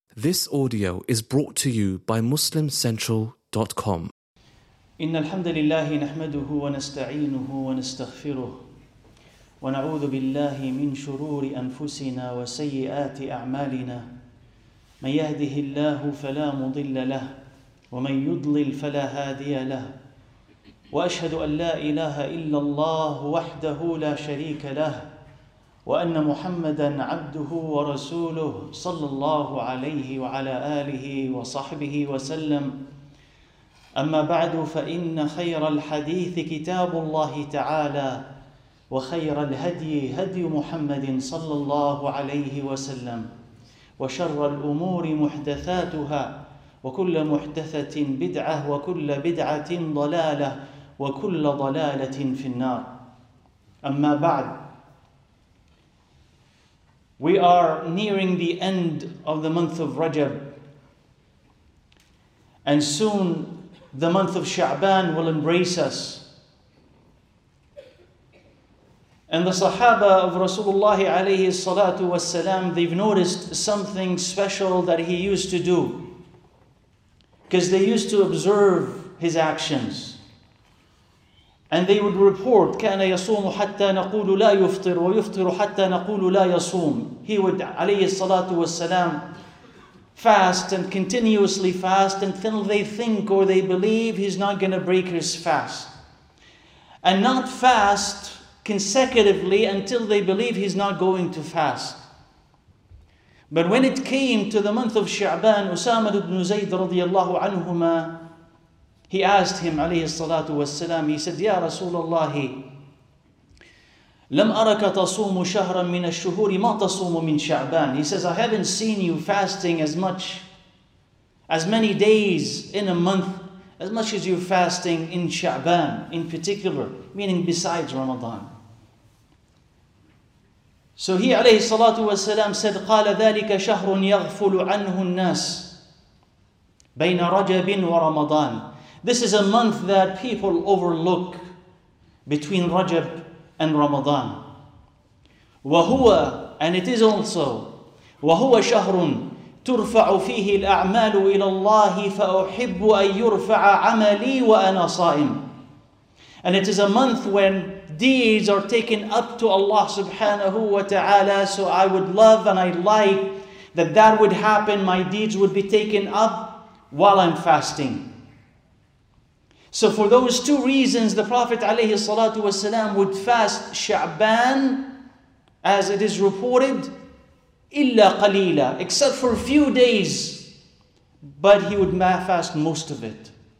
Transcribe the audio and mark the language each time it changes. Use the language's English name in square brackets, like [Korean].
[English] This audio is brought to you by MuslimCentral.com. [Arabic] إن الحمد لله نحمده ونستعينه ونستغفره ونعوذ بالله من شرور أنفسنا وسيئات أعمالنا من يهده الله فلا مضل له ومن يضلل فلا هادي له وأشهد أن لا إله إلا الله وحده لا شريك له وأن محمدًا عبده ورسوله صلى الله عليه وعلى آله وصحبه وسلم أما بعد فإن خير الحديث كتاب الله تعالى وخير الهدي هدي محمد صلى الله عليه وسلم وشر الأمور محدثاتها وكل محدثة بدعة وكل بدعة ضلالة وكل ضلالة في النار أما بعد. [English] We are nearing the end of the month of Rajab, and soon the month of Sha'ban will embrace us. And the Sahaba of Rasulullah alayhi salatu wasalam, they've noticed something special that he used to do, because they used to observe his actions. And they would report, [Arabic] كَانَ يَصُومُ حَتَّى نَقُولُ لَا يُفْطِرُ وَيُفْطِرُ حَتَّى نَقُولُ لَا يَصُومُ. [English] He would, alayhi salatu wasalam, fast and continuously fast until they think or they believe he's not going to break his fast. And not fast consecutively until they believe he's not going to fast. But when it came to the month of Sha'ban, Usama ibn Zayd radiallahu anhuma, he asked him, alayhi salatu wasalam, he said, Ya Rasulullah, [Arabic] لم أرك تصوم شهرا من الشهور ما تصوم من شعبان. [English] He says, I haven't seen you fasting as many days in a month as much as you're fasting in Sha'ban in particular, meaning besides Ramadan. So he, alayhi salatu wasalam, said, [Arabic] قال ذلك شهر يغفل عنه الناس بين رجب ورمضان. [English] This is a month that people overlook between Rajab and Ramadan. [Arabic] وهو, [English] and it is also, [Arabic] وهو شهر ترفع فيه الأعمال إلى الله فأحب أن يرفع عملي وأنا صائم. [English] And it is a month when deeds are taken up to Allah subhanahu wa ta'ala, so I would love and I like that would happen, my deeds would be taken up while I'm fasting. So for those two reasons, the Prophet alayhi salatu wasalam would fast Sha'ban, as it is reported, [Arabic] illa qalila, [English] except for a few days, but he would fast most of it.